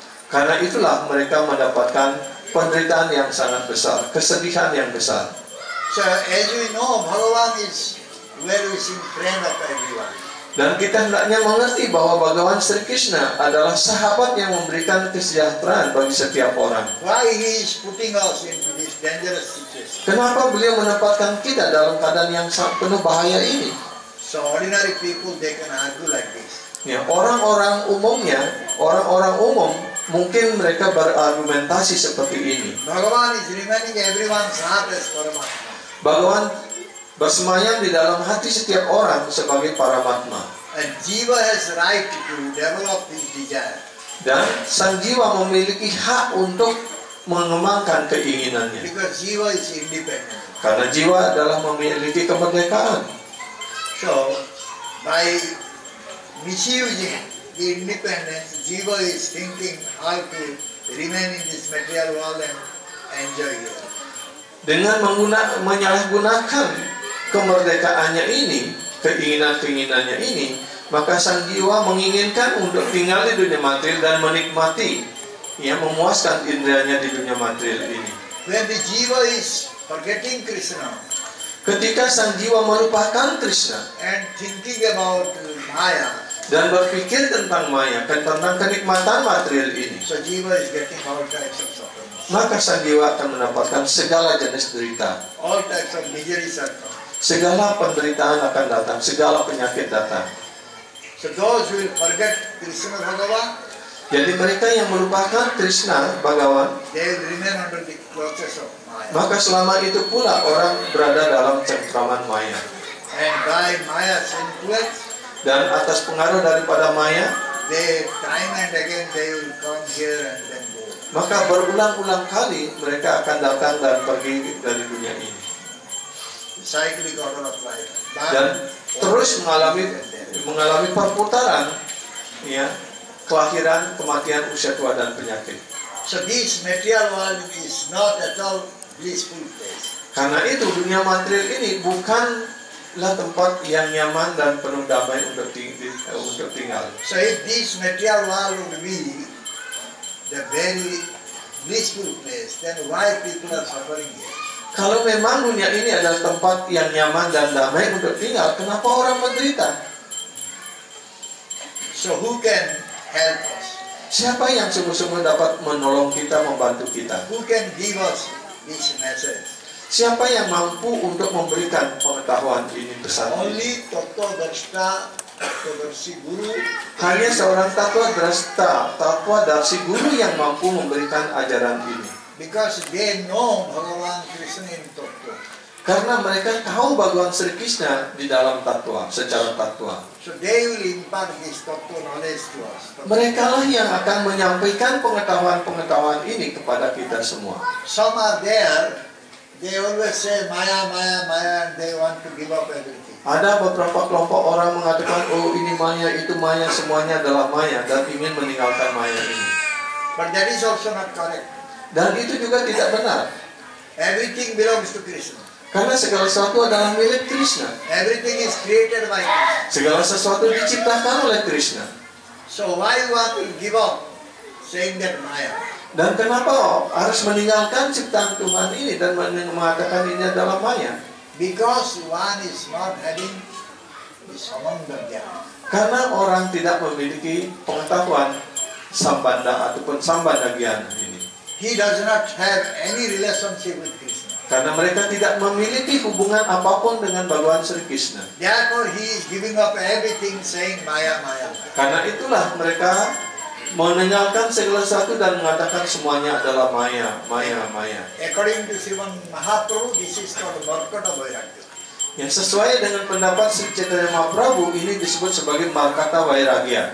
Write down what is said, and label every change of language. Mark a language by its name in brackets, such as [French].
[Indonesian] Karena itulah mereka mendapatkan penderitaan yang sangat besar, kesedihan yang besar. [English] So as we know, Bhagavan is well-wishing friend of everyone. [Indonesian] Dan kita hendaknya mengerti bahwa Bhagawan Sri Krishna adalah sahabat yang memberikan kesejahteraan bagi setiap orang. [English] Why he is putting us into this dangerous situation? [Indonesian] Kenapa beliau menempatkan kita dalam keadaan yang penuh bahaya ini? [English] So ordinary people, they can argue like this. [Indonesian] Ya, orang-orang umum mungkin mereka berargumentasi seperti ini. [English] Bhagawan is remaining everyone's heart as paramount. [Indonesian] Bhagawan bersemayam di dalam hati setiap orang sebagai paramatma. [English] And jiva has right to develop his desire. [Indonesian] Dan sang jiwa memiliki hak untuk mengembangkan keinginannya. [English] Because jiva is independent. [Indonesian] Karena jiwa adalah memiliki kemerdekaan. [English] So by misusing the independence, jiva is thinking how to remain in this material world and enjoy it. [Indonesian] Dengan menyalahgunakan kemerdekaannya ini, keinginan-keinginannya ini, maka sang jiwa menginginkan untuk tinggal di dunia material dan menikmati, ya, memuaskan indrianya di dunia material ini. [English] When the jiva is forgetting Krishna, [Indonesian] ketika sang jiwa melupakan Krishna [English] and thinking about Maya, [Indonesian] dan berpikir tentang Maya, tentang kenikmatan material ini, [English] so jiva is getting all types of suffering. [Indonesian] Maka sang jiwa akan mendapatkan segala jenis derita. [English] All types of miseries are coming. [Indonesian] Segala penderitaan akan datang, segala penyakit datang. [English] So those will forget Krishna Bhagavan. [Indonesian] Jadi mereka yang melupakan Krishna Bhagavan, [English] they will remain under the clutches of Maya. [Indonesian] Maka selama itu pula orang berada dalam cengkraman Maya. [English] And by Maya's influence, [Indonesian] dan atas pengaruh daripada Maya, [English] they time and again they will come here and then go. [Indonesian] Maka berulang-ulang kali mereka akan datang dan pergi dari dunia ini. [English] Cyclic order of life. [Indonesian] Dan terus mengalami perputaran, ya, kelahiran, kematian, usia tua dan penyakit. [English] So this material world is not at all blissful place. [Indonesian] Karena itu dunia material ini bukanlah tempat yang nyaman dan penuh damai untuk tinggal. [English] So if this material world would be the very blissful place, then why people are suffering here? [Indonesian] Kalau memang dunia ini adalah tempat yang nyaman dan damai untuk tinggal, kenapa orang menderita? [English] So who can help us? [Indonesian] Siapa yang sungguh-sungguh dapat menolong kita, membantu kita? [English] Who can give us this message? [Indonesian] Siapa yang mampu untuk memberikan pengetahuan ini pesan? [English] Only Toto Darsita, Darsi Guru. [Indonesian] Hanya seorang Toto Darsita, Toto Darsi Guru yang mampu memberikan ajaran ini. [English] Because they know Bhagavan Krishna in Toto. [Indonesian] Karena mereka tahu Bhagavan Sri Krishna di dalam tatwa, secara tatwa. [English] So they will impart this tatwa knowledge to us. [Indonesian] Mereka lah yang akan menyampaikan pengetahuan-pengetahuan ini kepada kita semua. [English] Some are there, they always say maya, maya, maya, and they want to give up everything. [Indonesian] Ada beberapa kelompok orang mengatakan, oh ini maya, itu maya, semuanya adalah maya, dan ingin meninggalkan maya ini. [English] But that is also not correct. [Indonesian] Dan itu juga tidak benar. [English] Everything belongs to Krishna. [Indonesian] Karena segala sesuatu adalah milik Krishna. [English] Everything is created by Krishna. [Indonesian] Segala sesuatu diciptakan oleh Krishna. [English] So why want to give up saying that maya? [Indonesian] Dan kenapa harus meninggalkan ciptaan Tuhan ini dan mengatakan ini adalah maya? [English] Because one is not having samanda jnana. [Indonesian] Karena orang tidak memiliki pengetahuan sambandha ataupun sambandha jnana ini. [English] He does not have any relationship with Krishna. [Indonesian] Karena mereka tidak memiliki hubungan apapun dengan Bhagawan Sri Krishna. [English] Therefore he is giving up everything saying maya, maya. [Indonesian] Karena itulah mereka meninggalkan segala sesuatu dan mengatakan semuanya adalah maya, maya, maya. [English] According to Sriman Mahaprabhu, this is called Markata Vairagya. [Indonesian] Yang sesuai dengan pendapat Sri Chaitanya Mahaprabhu, ini disebut sebagai Markata Vairagya.